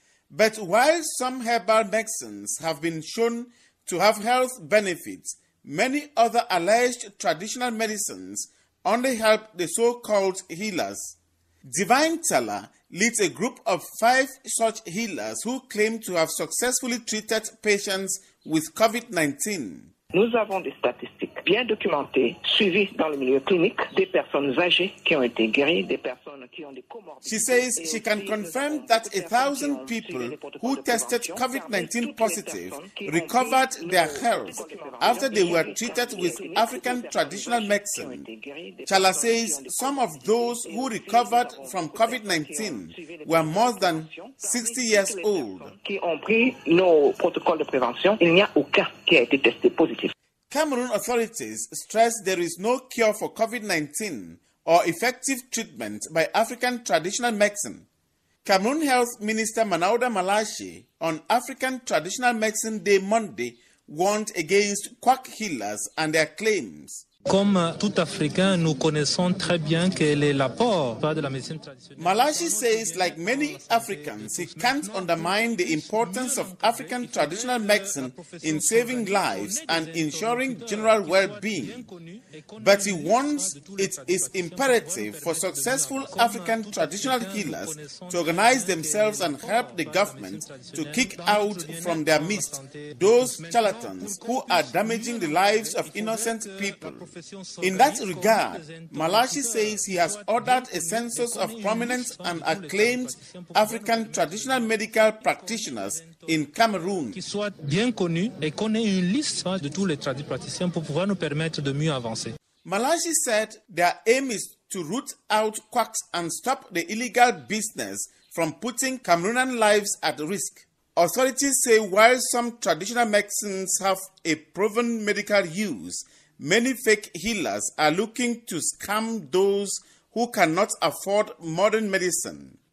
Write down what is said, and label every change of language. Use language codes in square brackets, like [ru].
[en] But while some herbal medicines have been shown to have health benefits, many other alleged traditional medicines only help the so-called healers. Divine Teller leads a group of five such healers who claim to have successfully treated patients with COVID-19. [fr] Nous avons des statistiques bien documentées, suivies dans le milieu clinique, des personnes âgées qui ont été guéries, des personnes qui ont des comorbidités. [en] She says she can confirm that 1,000 people who tested COVID-19 positive recovered their health after they were treated with African traditional medicine. Chala says some of those who recovered from COVID-19 were more than 60 years old. [fr] Qui ont pris nos protocoles de prévention, il n'y a aucun qui a été testé positif. [en] Cameroon authorities stress there is no cure for COVID-19 or effective treatment by African traditional medicine. Cameroon Health Minister Manauda Malashi on African Traditional Medicine Day Monday warned against quack healers and their claims. [fr] Comme tout Africain, nous connaissons très bien quel est l'apport de la médecine traditionnelle. [en] Malashi says, like many Africans, he can't undermine the importance of African traditional medicine in saving lives and ensuring general well-being. But he warns it is imperative for successful African traditional healers to organize themselves and help the government to kick out from their midst those charlatans who are damaging the lives of innocent people. In that regard, Malashi says he has ordered a census of prominent and acclaimed African traditional medical practitioners in Cameroon. [fr] Qui soit bien connu et qu'on ait une liste de tous les traditionnels praticiens pour pouvoir nous permettre de mieux avancer. [en] Malashi said their aim is to root out quacks and stop the illegal business from putting Cameroonian lives at risk. Authorities say while some traditional medicines have a proven medical use, many fake healers are looking to scam those who cannot afford modern medicine.